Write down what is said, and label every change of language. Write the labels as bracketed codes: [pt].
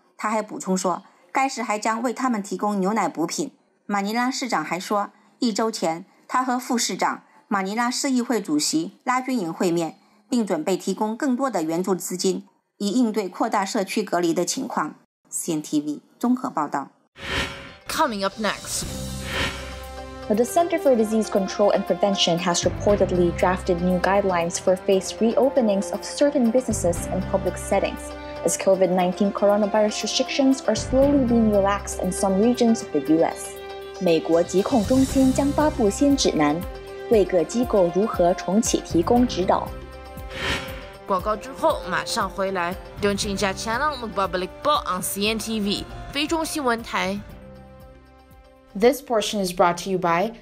[zh] 他还补充说，该市还将为他们提供牛奶补品。马尼拉市长还说，一周前他和副市长、马尼拉市议会主席拉军营会面，并准备提供更多的援助资金以应对扩大社区隔离的情况。 CNTV 综合报道。 [en] Coming up next. The Center for Disease Control and Prevention has reportedly drafted new guidelines for phased reopenings of certain businesses and public settings as COVID-19 coronavirus restrictions are slowly being relaxed in some regions of the U.S. [zh] 美国疾控中心将发布新指南，为各机构如何重启提供指导。广告之后马上回来。 [en] Don't change your channel [tl] Magbabalik po [en] on CNTV 菲中新闻台。 This portion is brought to you by